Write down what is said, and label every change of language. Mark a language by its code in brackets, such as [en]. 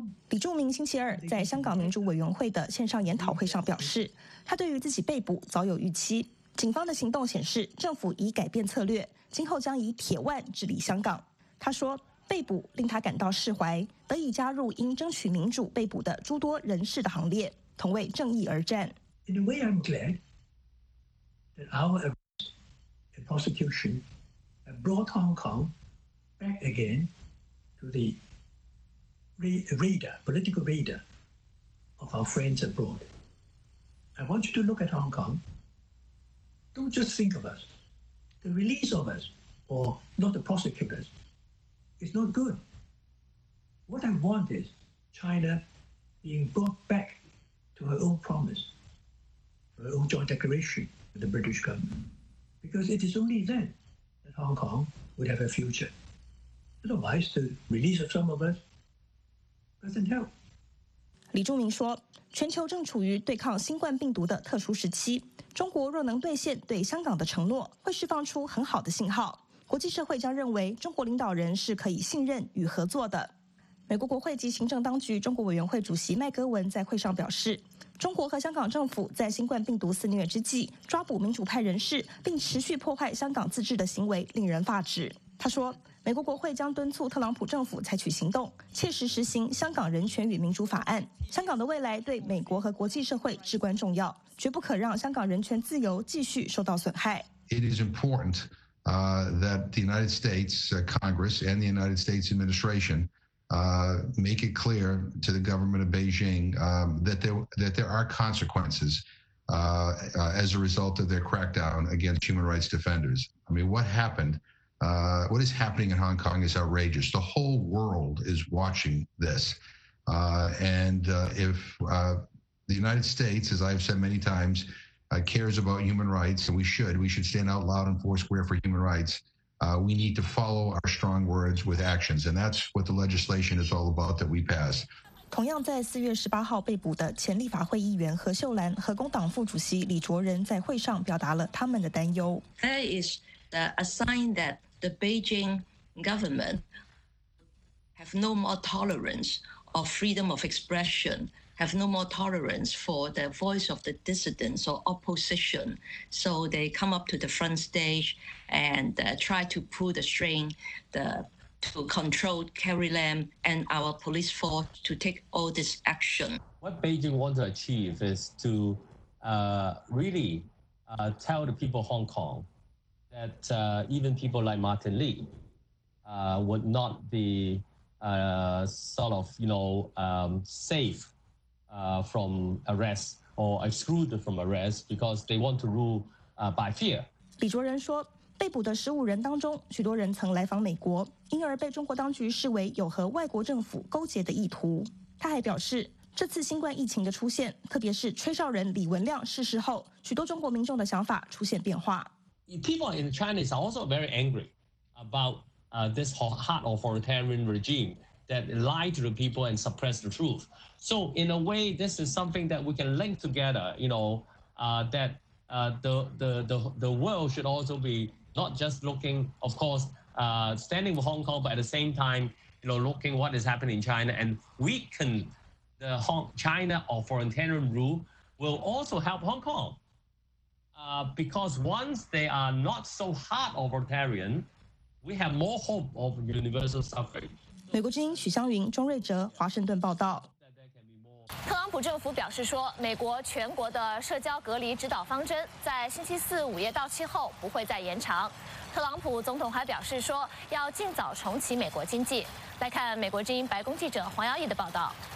[zh] 李柱铭星期二在香港民主委员会的线上研讨会上表示，他对于自己被捕早有预期，警方的行动显示政府已改变策略，今后将以铁腕治理香港。他说，被捕令他感到释怀，得以加入因争取民主被捕的诸多人士的行列，同为正义而战。 [en] In a way I'm glad that our arrest and prosecution have brought Hong Kong back again to theradar, political radar of our friends abroad. I want you to look at Hong Kong. Don't just think of us. Think the release of us, or not the prosecutors, is not good. What I want is China being brought back to her own promise, her own joint declaration with the British government, because it is only then that Hong Kong would have a future. Otherwise, the release of some of us doesn't help. [zh] 李柱铭说，全球正处于对抗新冠病毒的特殊时期，中国若能兑现对香港的承诺，会释放出很好的信号，国际社会将认为中国领导人是可以信任与合作的。美国国会及行政当局中国委员会主席麦格文在会上表示，中国和香港政府在新冠病毒肆虐之际抓捕民主派人士并持续破坏香港自治的行为令人发指。他说，美国国会将敦促特朗普政府采取行动，切实实行香港人权与民主法案。香港的未来对美国和国际社会至关重要，绝不可让香港人权自由继续受到损害。 [en] It is important, that the United States, Congress and the United States administration, make it clear to the government of Beijing, that there are consequences, as a result of their crackdown against human rights defenders. I mean, what happened? What is happening in Hong Kong is outrageous. The whole world is watching this. The United States, as I've said many times, cares about human rights, and we should stand out loud and foursquare for human rights. We need to follow our strong words with actions. And that's what the legislation is all about that we pass. [zh] 同样在4月18号被捕的前立法会议员何秀兰和工党副主席李卓人在会上表达了他们的担忧。 [en] A sign that the Beijing government have no more tolerance of freedom of expression, have no more tolerance for the voice of the dissidents or opposition. So they come up to the front stage and try to pull the string to control Carrie Lam and our police force to take all this action. What Beijing wants to achieve is to tell the people of Hong Kong. That even people like Martin Lee would not be safe from arrest or excluded from arrest because they want to rule by fear. [zh] 李卓人说，被捕的十五人当中，许多人曾来访美国，因而被中国当局视为有和外国政府勾结的意图。他还表示。这次新冠疫情的出现，特别是吹哨人李文亮逝世后，许多中国民众的想法出现变化。 [en] People in China are also very angry about this hard authoritarian regime that lied to the people and suppressed the truth. So in a way, this is something that we can link together. You know, that the world should also be not just looking, of course, standing with Hong Kong, but at the same time, you know, looking what is happening in China and weaken. The China authoritarian rule will also help Hong Kong. Because once they are not so hard authoritarian, we have more hope of universal suffrage. [zh] 美国之音许湘云、钟瑞哲，华盛顿报道。特朗普政府表示说，美国全国的社交隔离指导方针在星期四午夜到期后不会再延长。特朗普总统还表示说，要尽早重启美国经济。来看美国之音白宫记者黄瑶毅的报道。